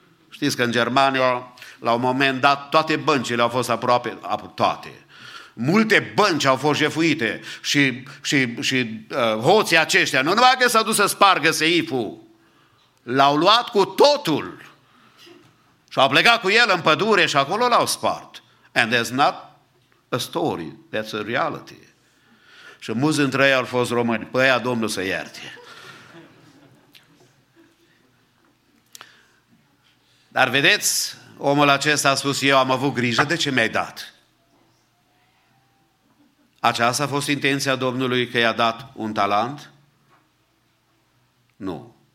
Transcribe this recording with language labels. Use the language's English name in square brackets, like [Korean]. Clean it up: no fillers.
[Romanian] Știți că în Germania, la un moment dat, toate băncile au fost aproape, toate. Multe bănci au fost jefuite și hoții aceștia, nu numai că s-au dus să spargă seiful, l-au luat cu totul și au plecat cu el în pădure și acolo l-au spart. [English] And that's not a story, that's a reality. [Romanian] Și mulți dintre ei au fost români, pe aia Domnul să ierte. Dar vedeți, omul acesta a spus, eu am avut grijă de ce mi-ai dat. Aceasta a fost intenția Domnului că i-a dat un talent? Nu.